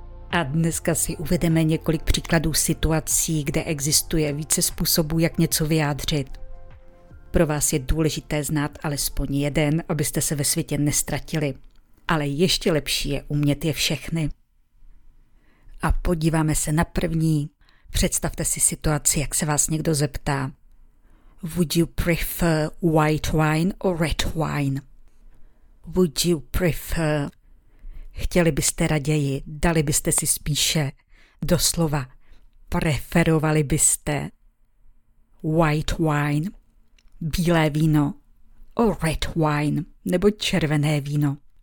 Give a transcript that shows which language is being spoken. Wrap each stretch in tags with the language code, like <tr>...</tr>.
<cs>A dneska si uvedeme několik příkladů situací, kde existuje více způsobů, jak něco vyjádřit. Pro vás je důležité znát alespoň jeden, abyste se ve světě neztratili. Ale ještě lepší je umět je všechny. A podíváme se na první. Představte si situaci, jak se vás někdo zeptá.</cs> <en>Would you prefer white wine or red wine? Would you prefer?</en> <cs>Chtěli byste raději, dali byste si spíše. Doslova, preferovali byste</cs> <en>white wine,</en> <cs>bílé víno,</cs> <en>or red wine,</en> <cs>nebo červené víno.</cs>